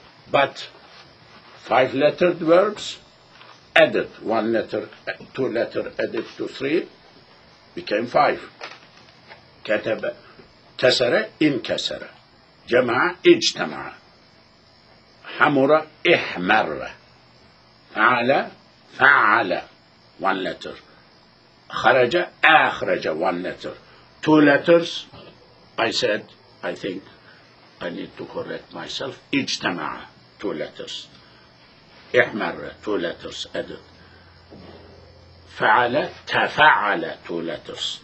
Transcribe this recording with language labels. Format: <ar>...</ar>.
<en>But five-lettered verbs added, one letter, two letter added to three, became five.</en> <ar>كَتَبَ كَسَرَ إِنْ كَسَرَ جَمَعَ إِجْتَمَعَ حَمُرَ إِحْمَرَ فَعَلَ فَعَلَ</ar> <en>one letter.</en> <ar>خَرَجَ أَخْرَجَ</ar> <en>one letter. Two letters, I said, I think I need to correct myself.</en> <ar>إِجْتَمَعَ</ar> <en>two letters.</en> <ar>إِحْمَرَ</ar> <en>two letters added.</en> <ar>فَعَلَ تَفَعَلَ</ar> <en>two letters.</en>